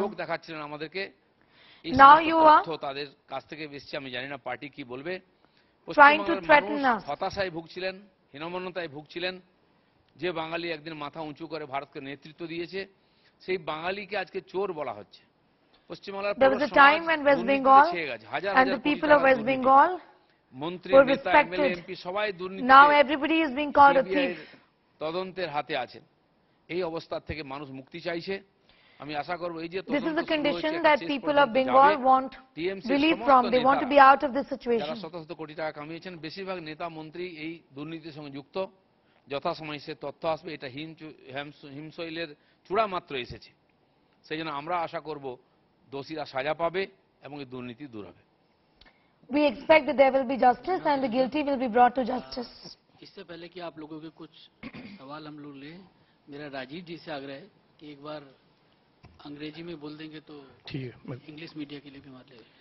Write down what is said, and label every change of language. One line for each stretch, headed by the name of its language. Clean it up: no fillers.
Bangla: লোক দেখাচ্ছেন আমাদেরকে,
English: now you are
Bangla: তো তাদের কাছ থেকে বেশি আমি জানি না পার্টি কি বলবে,
English: trying to threaten us,
Bangla: হতাশায় ভুগছিলেন, হীনমন্যতায় ভুগছিলেন, যে বাঙালি একদিন মাথা উঁচু করে ভারতকে নেতৃত্ব দিয়েছে সেই বাঙালিকে আজকে চোর বলা হচ্ছে। পশ্চিমবঙ্গের
English: There was a time when West Bengal and the people of West Bengal
Bangla: মন্ত্রী নেতা এমএলএ এমপি সবাই দুর্নীতি,
English: now everybody is being called a thief,
Bangla: তদন্তের হাতে আছেন। এই অবস্থা থেকে মানুষ মুক্তি চাইছে, আমি আশা করব এই যে
English: This is the condition that people of Bengal want relief from, they want to be out of this situation.
Bangla: যারা শত শত কোটি টাকা কামিয়েছেন বেশিরভাগ নেতা মন্ত্রী এই দুর্নীতির সঙ্গে যুক্ত, যথাসময়ে সে তথ্য আসবে, এটা হিমশৈলের চূড়া মাত্র এসেছে। সেই জন্য আমরা আশা করব দোষীরা সাজা পাবে এবং এই দুর্নীতি দূর হবে।
English: We expect that there will be justice and the guilty will be brought to justice.
Hindi: इससे पहले कि आप लोगों के कुछ सवाल हम लोग लें, मेरा राजीव जी से आग्रह है कि एक बार अंग्रेजी में बोल देंगे तो ठीक है, इंग्लिश मीडिया के लिए भी मान ले।